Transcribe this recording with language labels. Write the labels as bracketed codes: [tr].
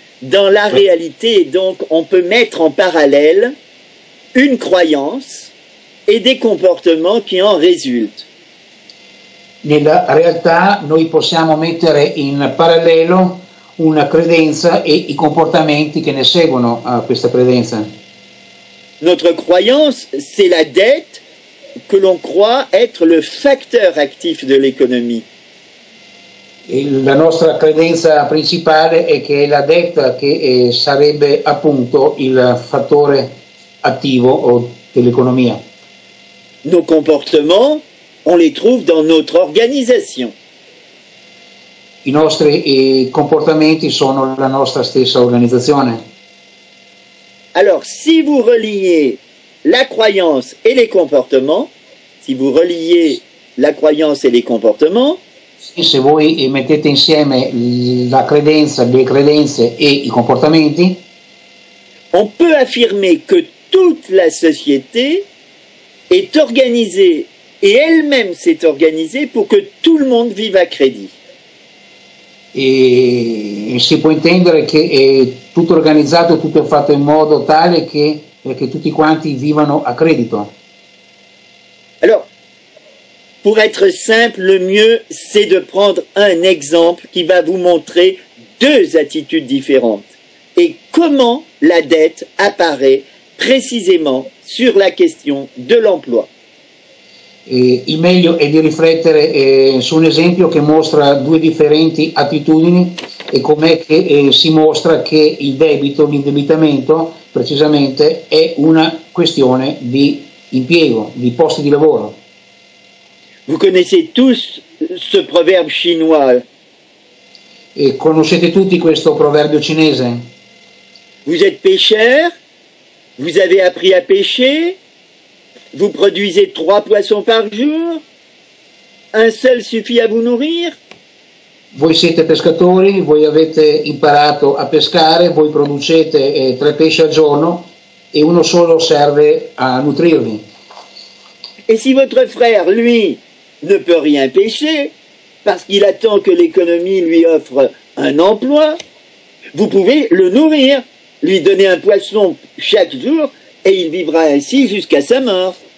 [fr] Dans la réalité, donc, on peut mettre en parallèle une croyance et des comportements qui en résultent. [it] Nella realtà, noi possiamo mettere in parallelo una credenza e i comportamenti che ne seguono a questa credenza. [fr] Notre croyance, c'est la dette que l'on croit être le facteur actif de l'économie. [it] La nostra credenza principale è che è la detta che sarebbe appunto il fattore attivo dell'economia. [fr] Nos comportements, on les trouve dans notre organisation. [it] I nostri comportamenti sono la nostra stessa organizzazione. [fr] Alors, si vous reliez la croyance et les comportements, si vous reliez la croyance et les comportements, [it] se voi mettete insieme la credenza, le credenze e i comportamenti, [fr] on peut affirmer que toute la société est organisée et elle-même s'est organisée pour que tout le monde vive à crédit. [it] E si può intendere che è tutto organizzato, tutto fatto in modo tale che tutti quanti vivano a credito. [fr] Alors, pour être simple, le mieux, c'est de prendre un exemple qui va vous montrer deux attitudes différentes et comment la dette apparaît précisément sur la question de l'emploi. [it] Il meglio è di riflettere su un esempio che mostra due differenti attitudini e com'è che si mostra che il debito, l'indebitamento, precisamente, è una questione di impiego, di posti di lavoro. [fr] Vous connaissez tous ce proverbe chinois. [it] Et conoscete tutti questo proverbio cinese? [fr] Vous êtes pêcheur, vous avez appris à pêcher, vous produisez 3 poissons par jour, un seul suffit à vous nourrir. [it] Voi siete pescatori, voi avete imparato a pescare, voi producete 3 pesci al giorno e uno solo serve a nutrirvi. [fr] Et si votre frère, lui, ne peut rien pêcher parce qu'il attend que l'économie lui offre un emploi, vous pouvez le nourrir, lui donner un poisson chaque jour et il vivra ainsi jusqu'à sa mort.